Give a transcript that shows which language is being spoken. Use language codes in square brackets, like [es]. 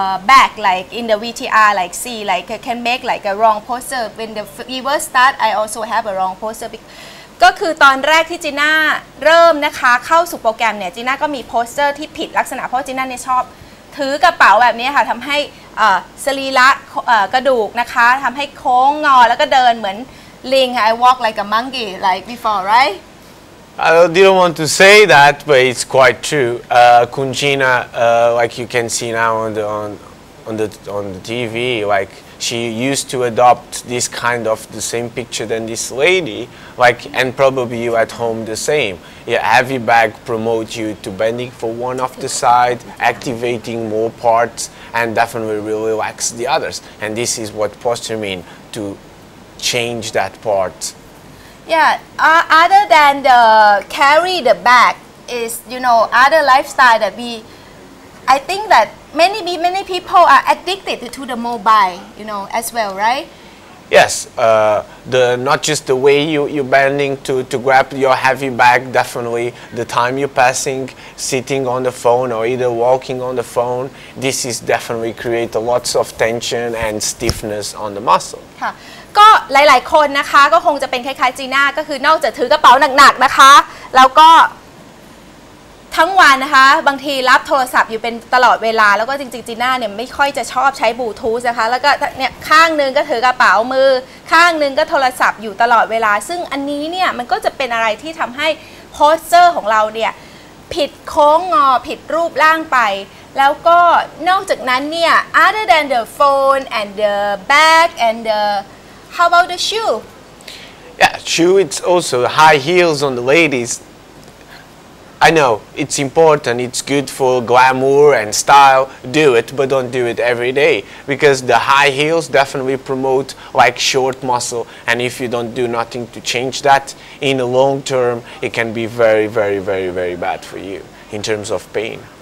[en] bag like in the VTR like see like can make like a wrong posture [th] when the fever start I also have a wrong posture ก็คือตอนแรกที่จีน่าเริ่มนะคะเข้าสู่โปรแกรมเนี่ยจีน่าก็มีโพสเจอร์ที่ผิดลักษณะเพราะจีน่าเนี่ยชอบถือกระเป๋าแบบนี้ค่ะทำให้สรีระกระดูกนะคะทำให้โค้งงอแล้วก็เดินเหมือนลิงค่ะ [en] I walk like a monkey like before right I didn't want to say that but it's quite true Kunjina like you can see now on the TV like she used to adopt this kind of the same picture than this lady like and probably you at home the same yeah heavy bag promote you to bending for one of the side activating more parts and definitely really relax the others and this is what posture mean to change that part yeah other than the carry the bag is you know other lifestyle that we I think thatMany people are addicted to the mobile, you know, as well, right? Yes, not just the way you're bending to grab your heavy bag, definitely the time you're passing, sitting on the phone or either walking on the phone, this is definitely create a lots of tension and stiffness on the muscle. [th] ก็หลายๆคนนะคะก็คงจะเป็นคล้ายๆจีน่าก็คือนอกจากถือกระเป๋าหนักๆนะคะแล้วก็ทั้งวันนะคะบางทีรับโทรศัพท์อยู่เป็นตลอดเวลาแล้วก็จริงๆจีน่าเนี่ยไม่ค่อยจะชอบใช้บลูทูธนะคะแล้วก็เนี่ยข้างนึงก็ถือกระเป๋ามือ ข้างนึงก็โทรศัพท์อยู่ตลอดเวลาซึ่งอันนี้เนี่ยมันก็จะเป็นอะไรที่ทำให้โพสเจอร์ของเราเนี่ยผิดโค้งงอผิดรูปร่างไปแล้วก็นอกจากนั้นเนี่ย [en] other than the phone and the bag and the how about the shoe yeah shoe it's also high heels on the ladiesI know, it's important, it's good for glamour and style, do it, but don't do it every day. Because the high heels definitely promote like short muscle, and if you don't do nothing to change that, in the long term, it can be very, very, very, very bad for you, in terms of pain.